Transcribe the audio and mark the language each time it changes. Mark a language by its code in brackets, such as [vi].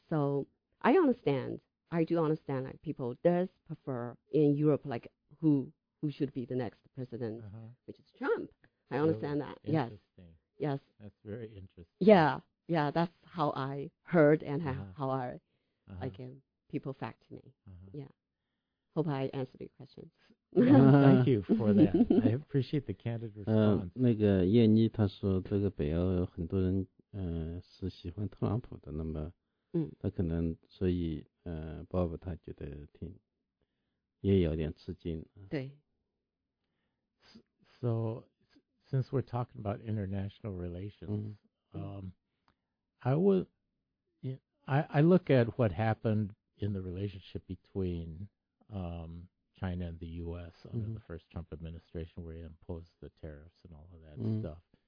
[en] So I do understand people does prefer in Europe who should be the next president, which is Trump. I understand that. Yes. That's very interesting. Yeah. Yeah, that's how I heard and how I again people fact me. Yeah. Hope I answered your questions. Thank you for that. I appreciate the candid response. [zh] 那个燕妮她说这个北欧很多人是喜欢特朗普的，那么他可能所以Bob 他觉得挺也有点吃惊。对。 [en] So since we're talking about international relations, I look at what happened in the relationship between China and the U.S. under the first Trump administration, where he imposed the tariffs and all of that stuff.